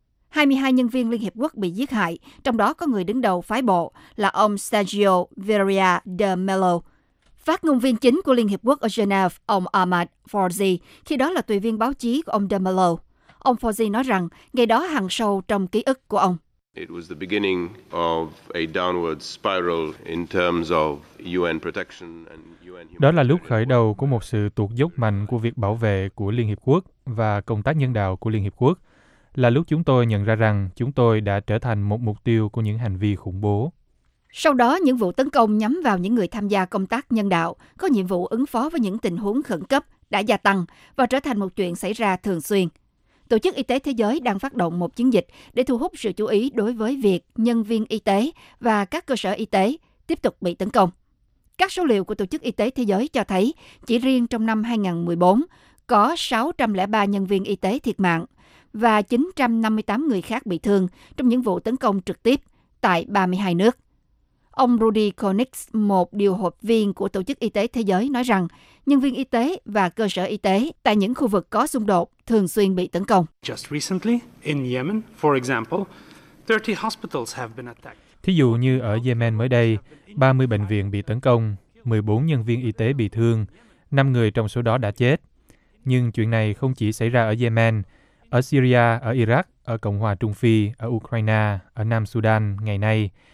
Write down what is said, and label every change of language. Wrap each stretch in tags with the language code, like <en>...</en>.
<vi>22 nhân viên Liên Hiệp Quốc bị giết hại, trong đó có người đứng đầu phái bộ là ông Sergio Vieira de Mello. Phát ngôn viên chính của Liên Hiệp Quốc ở Geneva, ông Ahmad Forzi, khi đó là tùy viên báo chí của ông de Mello. Ông Forzi nói rằng ngày đó hằn sâu trong ký ức của ông.</vi> <en>It was the beginning of a downward spiral in terms of UN protection and UN.</en> <vi>Đó là lúc khởi đầu của một sự tụt dốc mạnh của việc bảo vệ của Liên Hiệp Quốc và công tác nhân đạo của Liên Hiệp Quốc. Là lúc chúng tôi nhận ra rằng chúng tôi đã trở thành một mục tiêu của những hành vi khủng bố. Sau đó, những vụ tấn công nhắm vào những người tham gia công tác nhân đạo có nhiệm vụ ứng phó với những tình huống khẩn cấp đã gia tăng và trở thành một chuyện xảy ra thường xuyên. Tổ chức Y tế Thế giới đang phát động một chiến dịch để thu hút sự chú ý đối với việc nhân viên y tế và các cơ sở y tế tiếp tục bị tấn công. Các số liệu của Tổ chức Y tế Thế giới cho thấy, chỉ riêng trong năm 2014, có 603 nhân viên y tế thiệt mạng và 958 người khác bị thương trong những vụ tấn công trực tiếp tại 32 nước. Ông Rudy Konix, một điều hộp viên của Tổ chức Y tế Thế giới, nói rằng nhân viên y tế và cơ sở y tế tại những khu vực có xung đột thường xuyên bị tấn công.</vi> <en>Just recently, in Yemen, for example, 30 hospitals have been attacked.</en> <vi>Thí dụ như ở Yemen mới đây, 30 bệnh viện bị tấn công, 14 nhân viên y tế bị thương, 5 người trong số đó đã chết. Nhưng chuyện này không chỉ xảy ra ở Yemen, ở Syria, ở Iraq, ở Cộng hòa Trung Phi, ở Ukraine, ở Nam Sudan ngày nay.</vi>